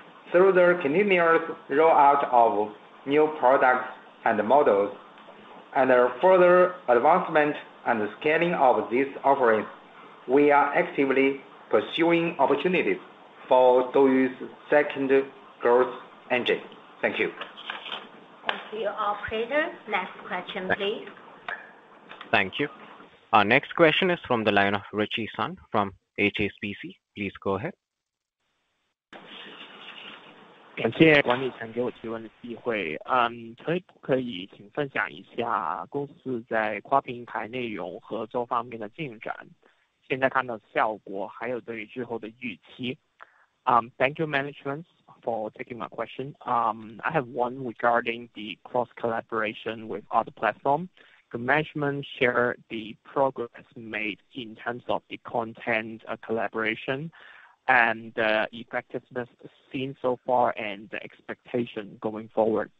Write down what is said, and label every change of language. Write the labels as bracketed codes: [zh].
[en] Through the continuous rollout of new products and models, and the further advancement and scaling of these offerings, we are actively pursuing opportunities for DouYu's second growth engine. Thank you. Thank you, operator. Next question, please. Thank you. Our next question is from the line of Richie Sun from HSBC. Please go ahead. [zh] 感谢管理层给我提问的机会。可不可以请分享一下公司在跨平台内容合作方面的进展，现在看到效果，还有对于之后的预期。 [en] Thank you, management, for taking my question. I have one regarding the cross-collaboration with other platforms. Could management share the progress made in terms of the content collaboration and the effectiveness seen so far and the expectation going forward?